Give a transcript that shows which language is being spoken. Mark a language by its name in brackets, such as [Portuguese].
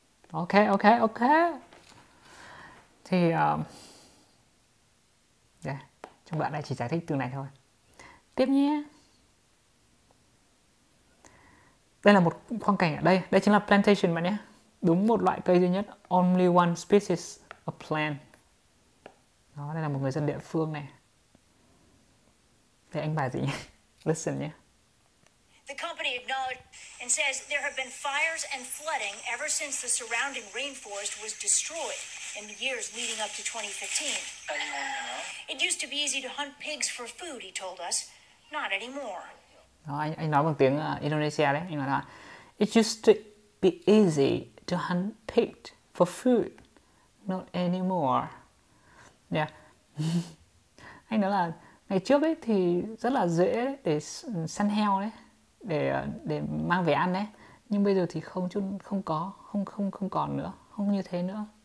[Vietnamese] Ok, ok, ok. Thì trong đoạn này chỉ giải thích từ này thôi. Tiếp nhé. Đây là một khoang cảnh ở đây. Đây chính là plantation bạn nhé. Đúng một loại cây duy nhất. [English] Only one species of plant. [Vietnamese] Đó, đây là một người dân địa phương này. Đây anh bà gì nhé? [English] Listen [Vietnamese] nhé. [English] The company acknowledged and says there have been fires and flooding ever since the surrounding rainforest was destroyed in the years leading up to 2015. It used to be easy to hunt pigs for food, he told us. Not anymore. [Vietnamese] Đó, anh nói bằng tiếng Indonesia đấy. Anh nói là [English] it used to be easy to hunt pigs for food. Not anymore. Yeah. [Vietnamese] Anh nói là ngày trước ấy thì rất là dễ để săn heo đấy, để mang về ăn đấy. Nhưng bây giờ thì không chút không có, không không không còn nữa. không như thế nữa.